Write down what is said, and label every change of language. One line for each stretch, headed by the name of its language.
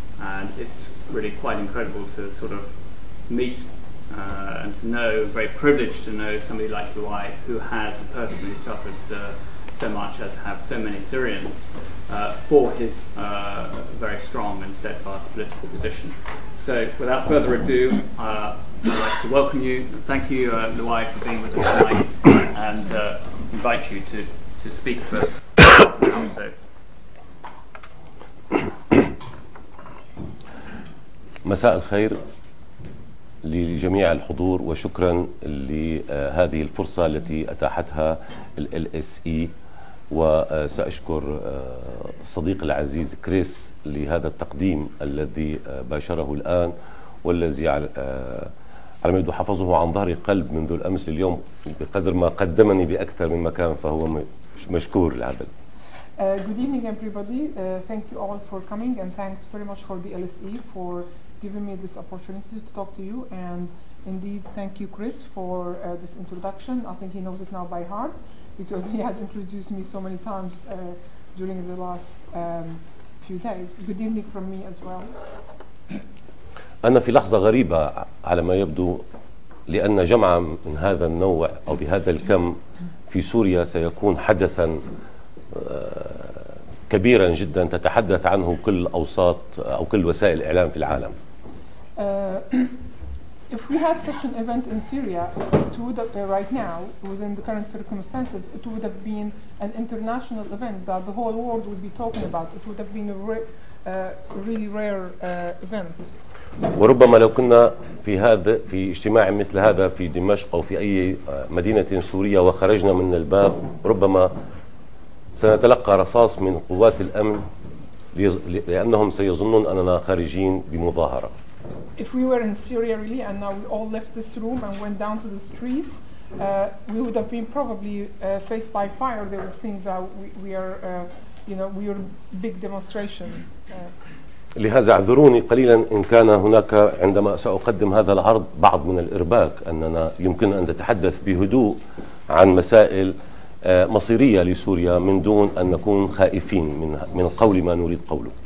English: And it's really quite incredible to sort of meet and to know, very privileged to know somebody like Louay, who has personally suffered so much, as have so many Syrians, for his very strong and steadfast political position. So without further ado, I'd like to welcome you. Thank you, Louay, for being with us tonight, and invite you to speak for also.
Arabic: مساء الخير لجميع الحضور وشكرا لهذه الفرصة التي أتاحتها الـ LSE. وسأشكر الصديق العزيز كريس لهذا التقديم الذي باشره الآن، والذي على ما يبدو حفظه عن ظهر قلب منذ الأمس لليوم، بقدر ما قدمني بأكثر من مكان فهو مشكور العدل.
English: Good evening everybody. Thank you all for coming, and thanks very much for the LSE for giving me this opportunity to talk to you. And indeed, thank you Chris for this introduction. I think he knows it now by heart. because he has introduced me so many times during the last few days. Good evening from me as well.
Arabic: أنا في لحظة غريبة على ما يبدو لأن جمعة من هذا النوع أو بهذا الكم في سوريا سيكون حدثا كبيرا جدا تتحدث عنه كل أوساط أو كل وسائل الإعلام في العالم.
English: If we had such an event in Syria, it would have, right now, within the current circumstances, it would have been an international event that the whole world would be talking about. It would have been a really rare event.
Arabic: وربما لو كنا في هذا في اجتماع مثل هذا في دمشق أو في أي مدينة سورية وخرجنا من الباب ربما سنتلقى رصاص من قوات الأمن لأنهم سيظنون أننا خارجين بمظاهرة.
English: If we were in Syria really and now we all left this room and went down to the streets, we would have been probably faced by fire. They would think that we are, you know, we are big demonstration.
Arabic: لهذا اعذروني قليلا إن كان هناك عندما سأقدم هذا العرض بعض من الإرباك أننا يمكن أن نتحدث بهدوء عن مسائل مصيرية لسوريا من دون أن نكون خائفين من قول ما نريد قوله.